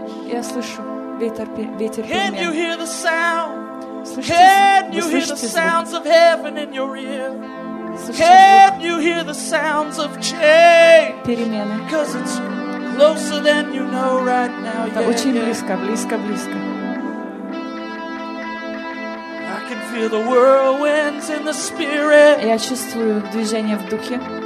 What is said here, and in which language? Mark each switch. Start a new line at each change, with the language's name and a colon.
Russian: Я слышу ветер, ветер перемен.
English: Can you hear the sound? Can you hear the sounds of heaven in your ear? Can you hear the sounds of change?
Russian: Перемены.
English: Because it's closer than you know right now.
Russian: Это очень близко, близко, близко.
English: I can feel the whirlwinds in the spirit.
Russian: Я чувствую движение в духе.